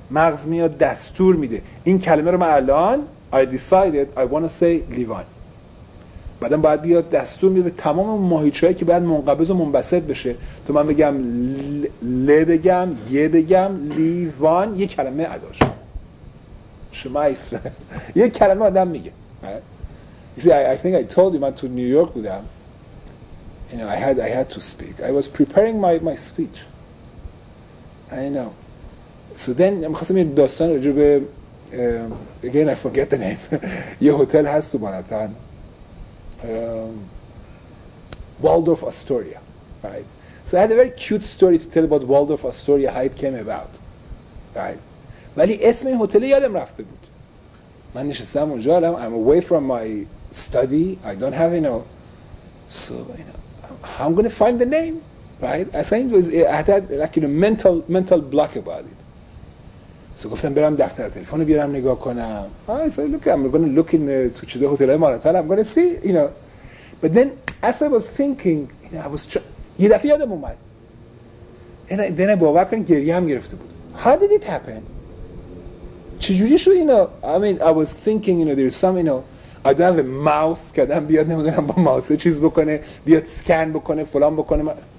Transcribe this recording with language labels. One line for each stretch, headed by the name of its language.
Persian: مغز میاد دستور میده این کلمه رو من الان
English: I decided I want to say
Persian: لیوان. بعدم باید بیاد دستور میده به تمام ماهیچه هایی که باید منقبض و منبسط بشه تو من بگم لی بگم یه بگم لیوان یه کلمه عداش شما ایسره یه کلمه آدم میگه
English: right? You see, I think I told you, man, to New York with them. You know, I had to speak. I was preparing my speech. I know. So then, I'm going to tell you a story about, again, I forget the name. A hotel has to be in Manhattan. Waldorf Astoria, right? So I had a very cute story to tell about Waldorf Astoria, how it came about, right? But the name of the hotel, I remember. I was sitting in the hotel, I'm away from my study, I don't have, you know, so, you know, how I'm going to find the name, right? I think I had like, you know, mental block about it.
Persian: So, گفتم برم دفتر تلفن رو بیارم نگاه کنم.
English: I said, look, I'm going to look in to
Persian: چیزه هتل های مارتان,
English: I'm going to see, you know. But then, as I was thinking, you know, I was trying,
Persian: یه دفعه یادم اومد.
English: And then I
Persian: باور کنم گریه هم گرفته بود.
English: How did it happen?
Persian: چجوری شد,
English: you know, I mean, I was thinking, you know,
Persian: there's some, you know, آدم به ماوس کردم بیاد نمیدونم با ماوس چیز بکنه بیاد سکن بکنه فلان بکنه.